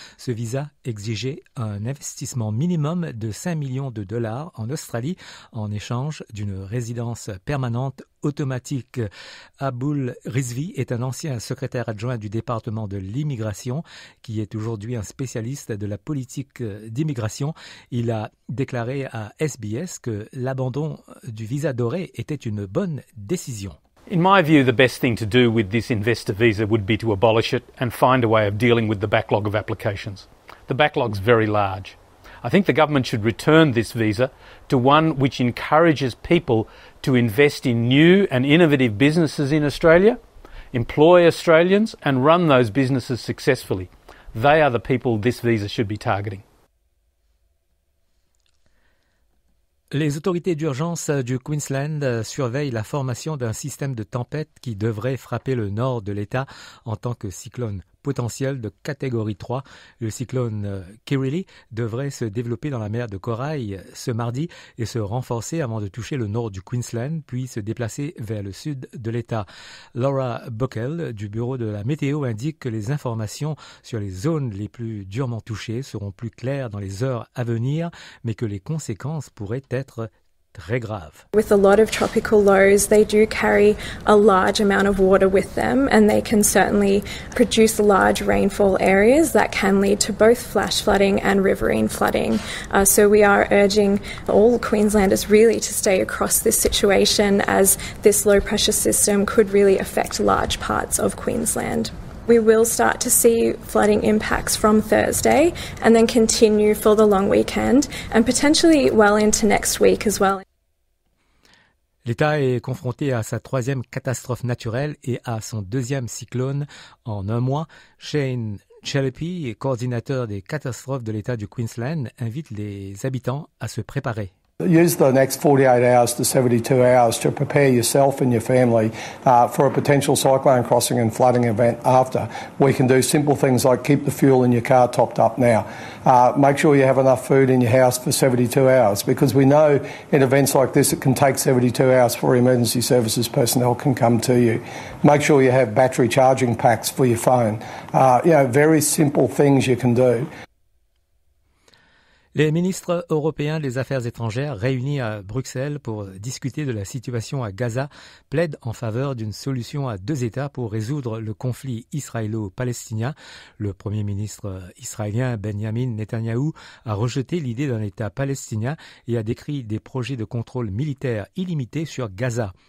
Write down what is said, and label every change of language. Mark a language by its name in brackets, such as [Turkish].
[French] Ce visa exigeait un investissement minimum de 5 millions de dollars en Australie en échange d'une résidence permanente automatique. Abul Rizvi est un ancien secrétaire adjoint du département de l'immigration qui est aujourd'hui un spécialiste de la politique d'immigration. Il a déclaré à SBS que l'abandon du visa doré était une bonne décision. [English] In my view, the best thing to do with this investor visa would be to abolish it and find a way of dealing with the backlog of applications. The backlog's very large. I think the government should return this visa to one which encourages people to invest in new and innovative businesses in Australia, employ Australians and run those businesses successfully. They are the people this visa should be targeting. [French] Les autorités d'urgence du Queensland surveillent la formation d'un système de tempête qui devrait frapper le nord de l'État en tant que cyclone potentiel de catégorie 3. Le cyclone Kirrily devrait se développer dans la mer de Corail ce mardi et se renforcer avant de toucher le nord du Queensland, puis se déplacer vers le sud de l'État. Laura Buckle du bureau de la météo indique que les informations sur les zones les plus durement touchées seront plus claires dans les heures à venir, mais que les conséquences pourraient être très grave. [English] With a lot of tropical lows, they do carry a large amount of water with them, and they can certainly produce large rainfall areas that can lead to both flash flooding and riverine flooding. So we are urging all Queenslanders really to stay across this situation, as this low pressure system could really affect large parts of Queensland. We will start to see flooding impacts from Thursday and then continue for the long weekend and potentially well into next week as well. [French] L'État est confronté à sa troisième catastrophe naturelle et à son deuxième cyclone en un mois. Shane Chalopy, coordinateur des catastrophes de l'État du Queensland, invite les habitants à se préparer. [English] Use the next 48 hours to 72 hours to prepare yourself and your family for a potential cyclone crossing and flooding event after. We can do simple things like keep the fuel in your car topped up now. Make sure you have enough food in your house for 72 hours, because we know in events like this it can take 72 hours before emergency services personnel can come to you. Make sure you have battery charging packs for your phone. Very simple things you can do. [French] Les ministres européens des Affaires étrangères réunis à Bruxelles pour discuter de la situation à Gaza plaident en faveur d'une solution à deux États pour résoudre le conflit israélo-palestinien. Le premier ministre israélien Benjamin Netanyahou a rejeté l'idée d'un État palestinien et a décrit des projets de contrôle militaire illimités sur Gaza.